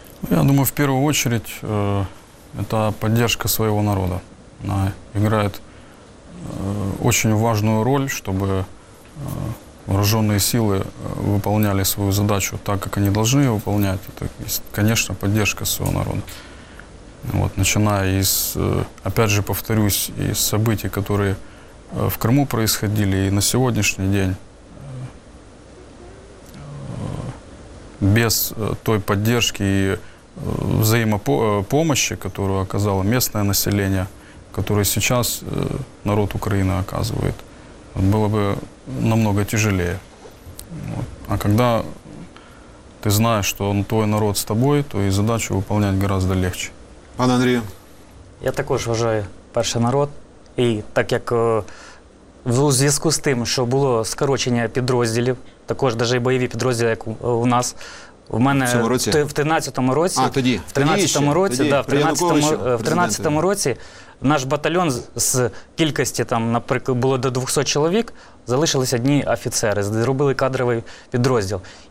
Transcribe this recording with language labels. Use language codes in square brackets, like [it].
[uk] Я думаю, в першу чергу, це підтримка свого народу. Вона грає дуже важливу роль, щоб вооружені сили виконували свою задачу так, як вони повинні її виконувати. Це, звісно, підтримка свого народу. [ru] Вот, начиная из, опять же повторюсь, из событий, которые в Крыму происходили, и на сегодняшний день без той поддержки и взаимопомощи, которую оказало местное население, которое сейчас народ Украины оказывает, было бы намного тяжелее. Вот. А когда ты знаешь, что он твой народ с тобой, то и задачу выполнять гораздо легче. [uk] Пане Андрію. Я також вважаю перший народ. І так як у зв'язку з тим, що було скорочення підрозділів, також навіть бойові підрозділи, як у нас, в мене в 13-му році. А, тоді. В 13-му тоді році, да, в 13-му році наш батальйон з кількості, там, наприклад, було до 200 чоловік, залишилися одні офіцери, зробили кадровий підрозділ.